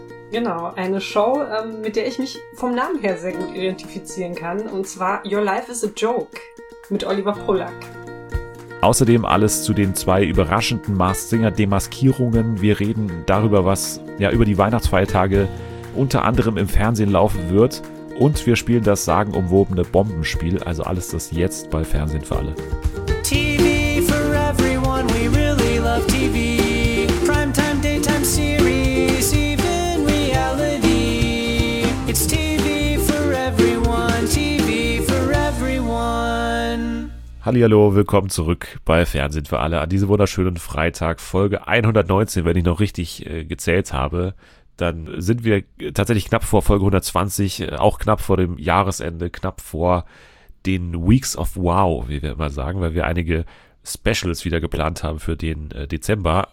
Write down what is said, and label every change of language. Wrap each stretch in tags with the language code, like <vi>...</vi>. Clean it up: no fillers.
<de>Genau, eine Show, mit der ich mich vom Namen her sehr gut identifizieren kann, und zwar Your Life is a Joke mit Oliver Pollack. Außerdem alles zu den zwei überraschenden Masked Singer-Demaskierungen. Wir reden darüber, was ja über die Weihnachtsfeiertage unter anderem im Fernsehen laufen wird. Und wir spielen das sagenumwobene Bombenspiel, also alles das jetzt bei Fernsehen für alle.</de> <en>TV for everyone, we really love TV. Primetime, daytime series, even reality. It's TV for everyone, TV for everyone.</en> <de>Hallihallo, willkommen zurück bei Fernsehen für alle. An diesem wunderschönen Freitag, Folge 119, wenn ich noch richtig gezählt habe. Dann sind wir tatsächlich knapp vor Folge 120, auch knapp vor dem Jahresende, knapp vor den Weeks of Wow, wie wir immer sagen, weil wir einige Specials wieder geplant haben für den Dezember.</de>